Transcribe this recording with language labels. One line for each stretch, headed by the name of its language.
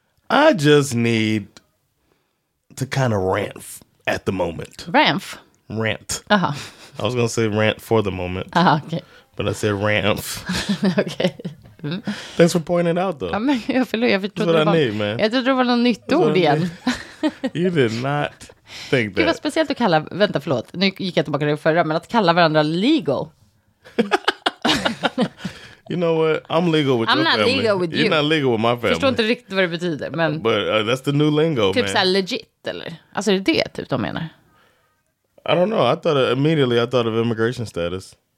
English: I just need to kind of rant at the moment. Ramp? Rant. Uh-huh. I was going to say rant for the moment. Uh-huh, okay. But I said ramp. Okay. Mm. Thanks for pointing it out though.
Swedish: Ja, men, förlåt, jag trodde det var, need, man. Jag trodde det var något nytt ord igen.
English: You did not think that.
Swedish: Det var speciellt att kalla, vänta förlåt, nu gick jag tillbaka till förra, men att kalla varandra legal.
English: You know what, I'm legal with I'm your not family. Legal with you're you. Not legal with my family.
Swedish: Förstår inte riktigt vad det betyder, men
English: but that's the new lingo,
Swedish: typ man. Typ så här legit eller, alltså det är det typ de menar.
English: I don't know, I thought of immigration status.